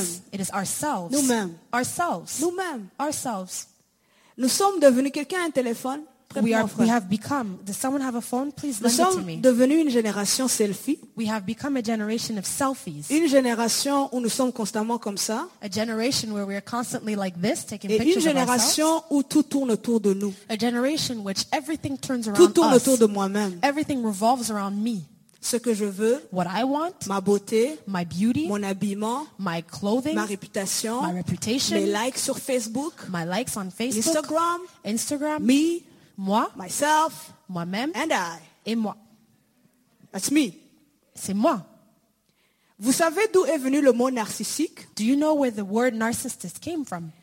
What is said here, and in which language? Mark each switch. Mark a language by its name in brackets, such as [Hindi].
[English] Us, it is ourselves. [French] Nous-mêmes. [English] Ourselves. [French] Nous-mêmes. [English] Ourselves. [French] Nous sommes devenus quelqu'un un téléphone. [English] We, are, we have become. Does someone have a phone? Please [French] nous [English] lend it to me. [French] Nous sommes devenus une génération selfie. [English] We have become a generation of selfies. [French] Une génération où nous sommes constamment comme ça. [English] A generation where we are constantly like this, taking [French] et [English] pictures of ourselves. [French] Et une génération où tout tourne autour de nous. [English] A generation which everything turns around [French] tout tourne [English] us. [French] Autour de moi-même. [English] Everything revolves around me. [French] Ce que je veux, [English] what I want, [French] ma beauté, [English] my beauty, [French] mon habillement, [English] my clothing, [French] ma réputation, [English] my reputation, [French] mes likes sur Facebook, [English] my likes on Facebook, [French] Instagram, [English] Instagram, me, [French] moi, [English] myself, [French] moi-même, [English] and I, [French] et moi. [English] That's me. [French] C'est moi. Vous savez d'où est venu le mot narcissique? [English] Do you know where the word narcissist came from?